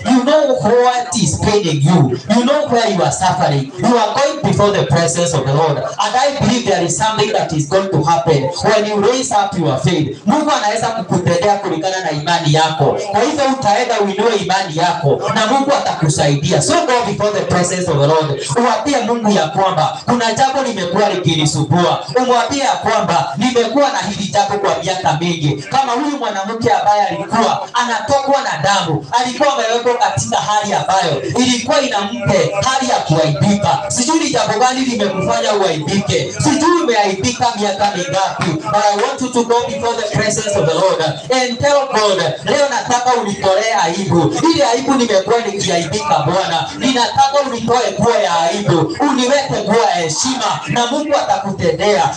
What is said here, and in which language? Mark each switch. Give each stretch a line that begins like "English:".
English: You know what is paining you. You know where you are suffering. You are going before the presence of the Lord. And I believe there is something that is going to happen when you raise up your faith.
Swahili: Mungu anaweza kukutendea kulingana na imani yako. Kwa hivyo utaenda uinue imani yako na Mungu atakusaidia.
English: So go before the presence of the Lord.
Swahili: Uambie Mungu ya kwamba kuna jambo limekuwa likinisumbua. Umwambie ya kwamba nimekuwa na hili jambo kwa miaka mingi. Kama huyu mwanamke ambaye alikuwa anatokwa na damu, alikuwa amewekwa katika hali ambayo ilikuwa inampe hali ya kuaibika. Sijui jambo gani limekufanya uaibike. Sijui umeaibika miaka mingapi.
English: But I want you to go before the presence of the Lord and tell God,
Swahili: leo nataka unitolee aibu. Ile aibu nimekuwa nikiaibika Bwana. Ninataka unitoe nguo ya aibu. Uniweke nguo ya heshima na Mungu atakutendea.